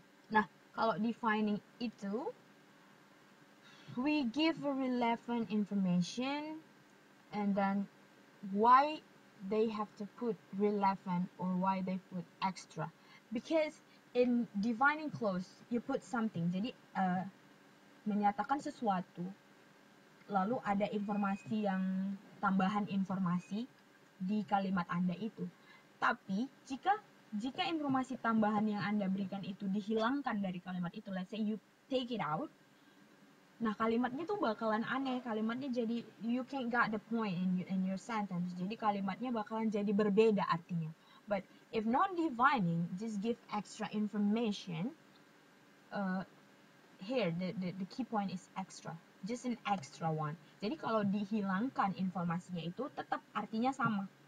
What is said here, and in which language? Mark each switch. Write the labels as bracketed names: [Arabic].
[Indonesian] Nah, kalau defining itu, [English] we give relevant information, and then why they have to put relevant or why they put extra? Because in defining clause, you put something. [Indonesian] Jadi, menyatakan sesuatu, lalu ada informasi yang tambahan informasi di kalimat Anda itu. Tapi, jika informasi tambahan yang Anda berikan itu dihilangkan dari kalimat itu, [English] let's say you take it out, [Indonesian] nah kalimatnya tuh bakalan aneh. Kalimatnya jadi, [English] you can't get the point in your sentence. [Indonesian] Jadi, kalimatnya bakalan jadi berbeda artinya. [English] But if non-defining, just give extra information. Here, the key point is extra. Just an extra one. [Indonesian] Jadi kalau dihilangkan informasinya itu, tetap artinya sama.